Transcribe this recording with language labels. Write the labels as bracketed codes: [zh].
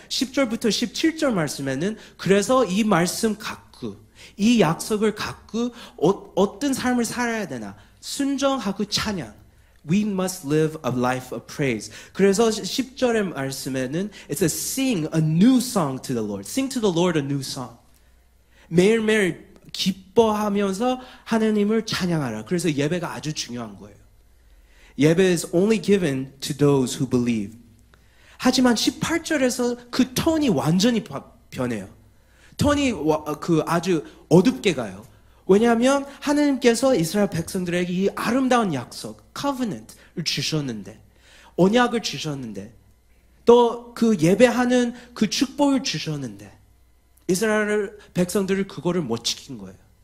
[ko] 10절부터 17절 말씀에는 그래서 이 말씀 갖고 이 약속을 갖고 어떤 삶을 살아야 되나 순종하고 찬양. [en] We must live a life of praise. [ko] 그래서 10절의 말씀에는 [en] it's a sing a new song to the Lord. Sing to the Lord a new song. [ko] 매일매일 기뻐하면서 하나님을 찬양하라. 그래서 예배가 아주 중요한 거예요. [en] 예배 is only given to those who believe. [ko] 하지만 18절에서 그 톤이 완전히 변해요. 톤이 그 아주 어둡게 가요. 왜냐하면 하나님께서 이스라엘 백성들에게 이 아름다운 약속, covenant을 주셨는데 언약을 주셨는데 또 그 예배하는 그 축복을 주셨는데 이스라엘 백성들을 그거를 못 지킨 거예요.